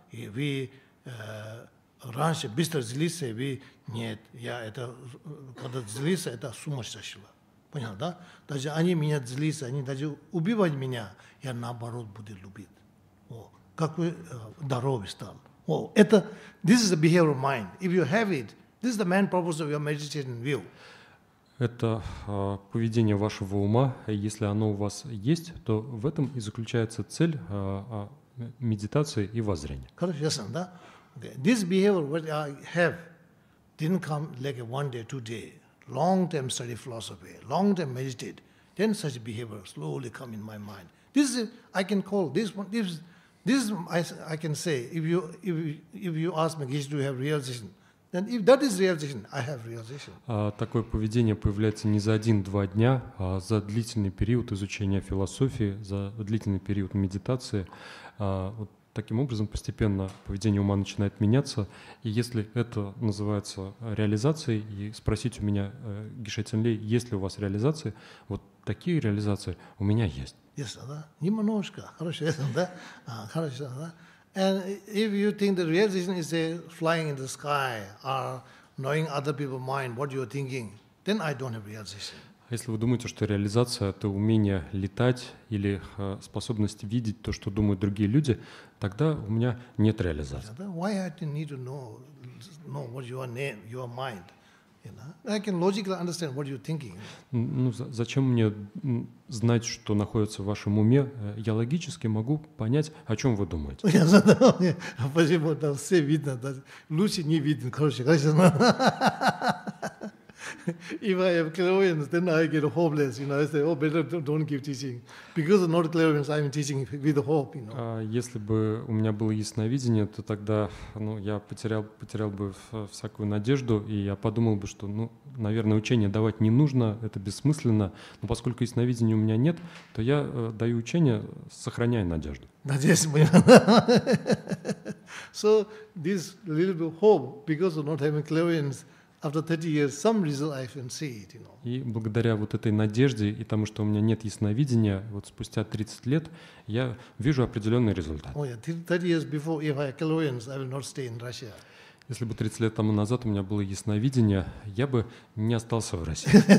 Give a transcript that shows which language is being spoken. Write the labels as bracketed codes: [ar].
[ru] И вы раньше быстро злился, вы нет, я это, когда злился, это сумасшедшего. Понял, да? Даже они меня злится, они даже убивают меня, я наоборот буду любить. О, какой здоровый стал. [en] Oh, это, this is the behavior of mind. If you have it, this is the main purpose of your meditation view. [ru] Это поведение вашего ума. Если оно у вас есть, то в этом и заключается цель медитации и воззрения. Хорошо, ясно, да? Okay. [en] This behavior what I have didn't come like one day, two day. Long-term study philosophy, long-term meditate. Then such behavior slowly come in my mind. This is, I can call this one, this I can say, if you ask me, do you have realization? Then if that is realization, I have realization. [ru] Такое поведение появляется не за один-два дня, а за длительный период изучения философии, за длительный период медитации. Вот таким образом постепенно поведение ума начинает меняться. И если это называется реализацией, и спросить у меня, Гиша Тенлей, есть ли у вас реализации, вот такие реализации у меня есть. Yes, да? Немножко. Хорошо, yes, да? Хорошо, да? [en] And if you think the realization is flying in the sky or knowing other people's mind, what you're thinking, then I don't have realization. [ru] Если вы думаете, что реализация – это умение летать или способность видеть то, что думают другие люди, тогда у меня нет реализации. [en] Yeah, why I need to know what your name, your mind? You know? I can logically understand what you're thinking. [ru] Ну, зачем мне знать, что находится в вашем уме? Я логически могу понять, о чем вы думаете. Я задал, почему там все видно, лучше не видно, короче, конечно. [en] If I have clairvoyance, then I get hopeless. You know, I say, oh, better don't give teaching. Because of not clairvoyance, I'm teaching with hope, you know. [ru] Если бы у меня было ясновидение, то тогда, ну, я потерял бы всякую надежду, и я подумал бы, что, ну, наверное, учение давать не нужно, это бессмысленно. Но поскольку ясновидения у меня нет, то я даю учение, сохраняя надежду. Надеюсь, понятно. [en] So this little bit of hope, because of not having clairvoyance, after 30 years, some result I can see it, you know. [ru] И благодаря вот этой надежде и тому, что у меня нет ясновидения, вот спустя 30 лет я вижу определенный результат. [en] Oh, yeah. 30 years before, if I had clairvoyance, I will not stay in Russia. [ru] Если бы 30 лет тому назад у меня было ясновидение, я бы не остался в России.